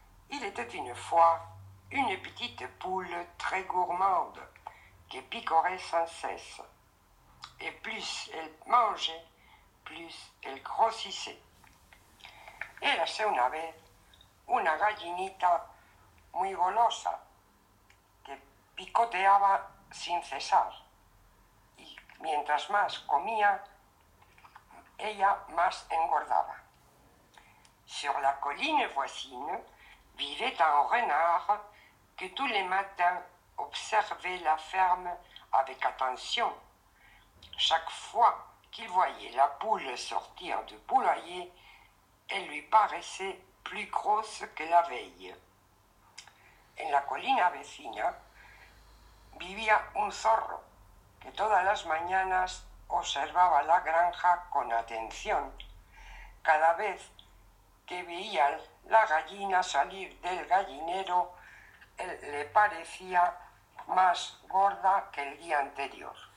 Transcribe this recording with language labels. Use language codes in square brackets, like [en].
[fr] Il était une fois une petite poule très gourmande qui picorait sans cesse. Et plus elle mangeait, plus elle grossissait. [es] Érase una vez una gallinita muy golosa que picoteaba sin cesar. Y mientras más comía, ella más engordaba. [fr] Sur la colline voisine vivait un renard que tous les matins observait la ferme avec attention. Chaque fois qu'il voyait la poule sortir du poulailler, elle lui paraissait plus grosse que la veille. [es] En la colina vecina vivía un zorro que todas las mañanas observaba la granja con atención. Cada vez que veía la gallina salir del gallinero, él le parecía más gorda que el día anterior.